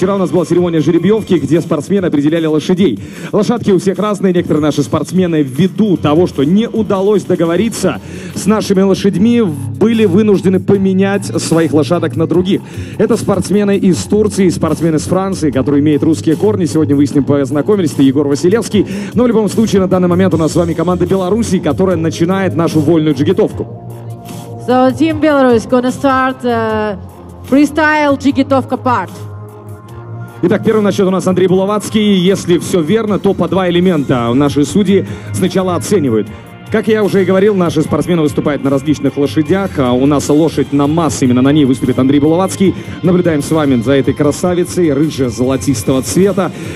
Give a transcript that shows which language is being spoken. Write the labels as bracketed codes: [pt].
[ru] Вчера у нас была церемония жеребьевки, где спортсмены определяли лошадей. Лошадки у всех разные, некоторые наши спортсмены, ввиду того, что не удалось договориться с нашими лошадьми, были вынуждены поменять своих лошадок на других. Это спортсмены из Турции, спортсмены из Франции, которые имеют русские корни. Сегодня вы с ним познакомились, это Егор Василевский. Но в любом случае, на данный момент у нас с вами команда Беларуси, которая начинает нашу вольную джигитовку. [en] So, team Belarus gonna start freestyle джигитовка part. [ru] Итак, первый на счет у нас Андрей Булавацкий. Если все верно, то по два элемента наши судьи сначала оценивают. Как я уже и говорил, наши спортсмены выступают на различных лошадях. А у нас лошадь на масс, именно на ней выступит Андрей Булавацкий. Наблюдаем с вами за этой красавицей, рыже-золотистого цвета.